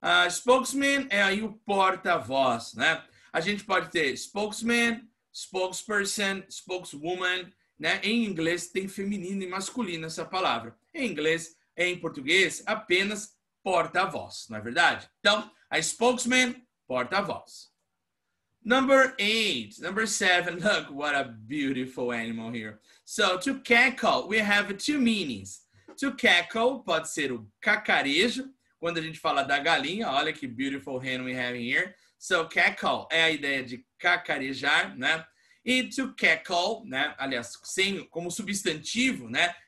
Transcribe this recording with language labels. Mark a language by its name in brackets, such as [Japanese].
[Portuguese] Spokesman é aí o porta-voz, né? A gente pode ter spokesman, spokesperson, spokeswoman, né? Em inglês tem feminino e masculino essa palavra. Em inglês, em português, apenas porta-voz, não é verdade? Então, a spokesman, porta-voz. [English] Number 8, number 7, look what a beautiful animal here. So, to cackle, we have two meanings. [Portuguese] To cackle pode ser o cacarejo, quando a gente fala da galinha, olha que [English] beautiful hen we have here. [Portuguese] So, cackle é a ideia de cacarejar, né? E to cackle, né? Aliás, sem, como substantivo, né?